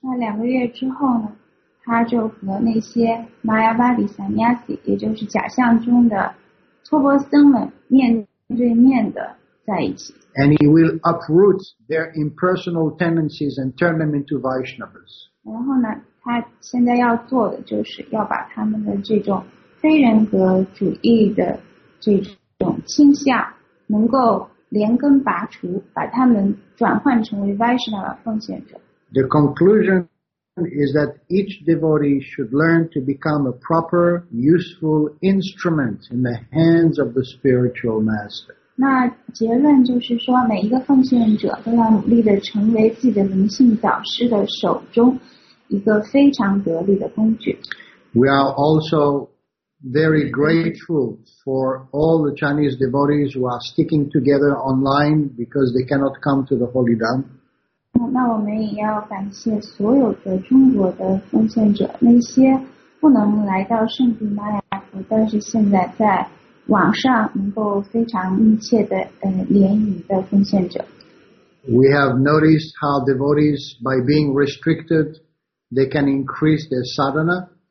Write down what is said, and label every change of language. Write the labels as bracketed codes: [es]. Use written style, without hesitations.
[zh] 那两个月之后呢，他就和那些Mayavadi sannyasi, 也就是假象中的托钵僧们面对面的在一起。And [en] he will uproot their impersonal tendencies and turn them into Vaishnavas. [zh] 然后呢，他现在要做的就是要把他们的这种 非人格主义的这种倾向能够连根拔除，把他们转换成为Vaishnava奉献者。 [en] The conclusion is that each devotee should learn to become a proper, useful instrument in the hands of the spiritual master. [zh] 那结论就是说, 每一个奉献者都要努力地成为自己的灵性导师的手中, 一个非常得力的工具。 [en] We are also very grateful for all the Chinese devotees who are sticking together online because they cannot come to the Holy Dham. [zh] 那我们也要感谢所有的中国的奉献者, 那些不能来到圣地玛雅福但是现在在网上能够非常密切的联谊的奉献者。 [en] We have noticed how devotees, by being restricted, they can increase their sadhana.